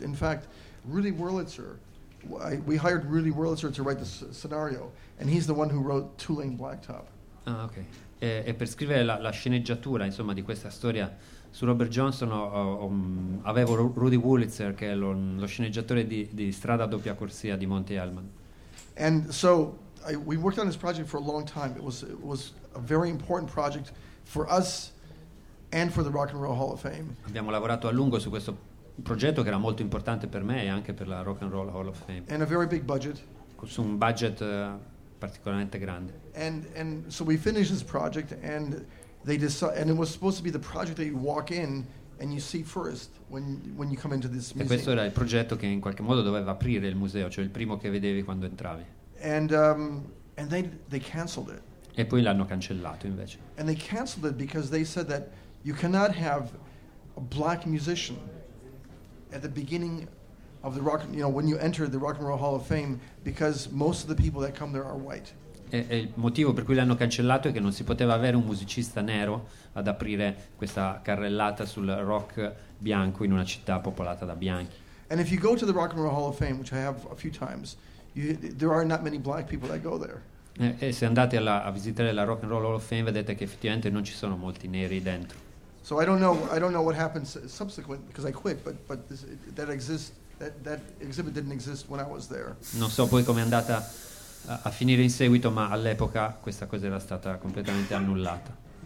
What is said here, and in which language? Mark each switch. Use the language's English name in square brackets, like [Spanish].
[English] In fact, Rudy Wurlitzer, we hired Rudy Wurlitzer to write the scenario, and he's the one who wrote Two Lane Blacktop. Ah, okay. [Italian] E per scrivere la sceneggiatura, insomma, di questa storia su Robert Johnson, avevo Rudy Wurlitzer, che è lo sceneggiatore di Strada a doppia corsia di Monty Hellman. [English] And so we worked on this project for a long time. It was a very important project for us and for the Rock and Roll Hall of Fame. [Italian] Abbiamo lavorato a lungo su questo progetto che era molto importante per me e anche per la Rock and Roll Hall of Fame. [English] And a very big budget. [Italian] Su un budget particolarmente grande. [English] And so we finished this project and they decide, and it was supposed to be the project that you walk in and you see first when you come into this museum. [Italian] E questo era il progetto che in qualche modo doveva aprire il museo, cioè il primo che vedevi quando entravi. [English] And they canceled it. [Italian] E poi l'hanno cancellato invece. [English] And they canceled it because they said that you cannot have a black musician at the beginning of the rock, you know, when you enter the Rock and Roll Hall of Fame, because most of the people that come there are white. [Italian] E il motivo per cui l'hanno cancellato è che non si poteva avere un musicista nero ad aprire questa carrellata sul rock bianco in una città popolata da bianchi. [English] And if you go to the Rock and Roll Hall of Fame, which I have a few times, there are not many black people that go there. [Italian] E se andate a visitare la Rock and Roll Hall of Fame, vedete che effettivamente non ci sono molti neri dentro. [English] So I don't know what happened subsequent, because I quit, but this, that exists, that exhibit didn't exist when I was there. [Italian] Non so poi come è andata a finire in seguito, ma all'epoca questa cosa era stata completamente annullata.